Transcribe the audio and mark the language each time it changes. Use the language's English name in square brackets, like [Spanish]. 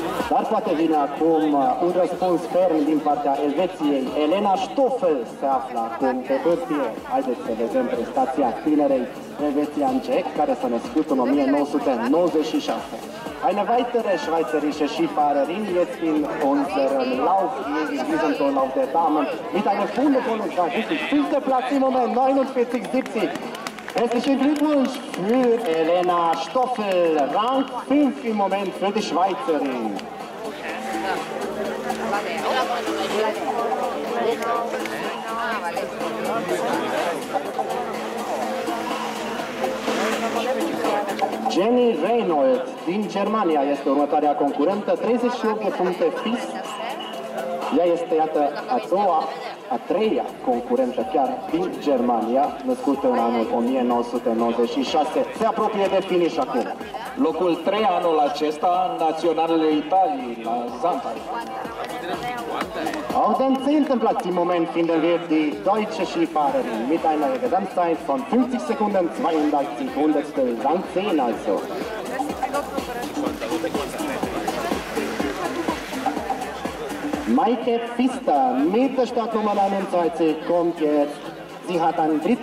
[Romanian] Dar poate vine acum un răspuns ferm din partea Elveției. Elena Stoffel se află acum pe hârtie. Haideți să vedem prestația tinerei elvețiance, care s-a născut în 1996. [German] Eine weitere schweizerische Skifahrerin jetzt in unserem Lauf, in diesem Lauf der Damen, mit einer Stunde von uns, da ist die fünfte Platz im Moment, 49,70. Herzlichen Glückwunsch für Elena Stoffel, Rang 5 im Moment für die Schweizerin. [Romanian] Jenny Reynolds din Germania este următoarea concurentă, 38 de puncte fix. Ea este, iată, a treia concurentă chiar din Germania, născută în anul 1996. Se apropie de finish acum. Locul 3 anul acesta, naționalele Italiei, la Zandvoort. [German] Auch den 10. Platz im Moment finden wir die deutsche Skifahrerin mit einer Gesamtzeit von 50 Sekunden, 32 Hundertstel, Rang 10 also. Maike Pfister mit der Startnummer 21 kommt jetzt. Sie hat einen 3.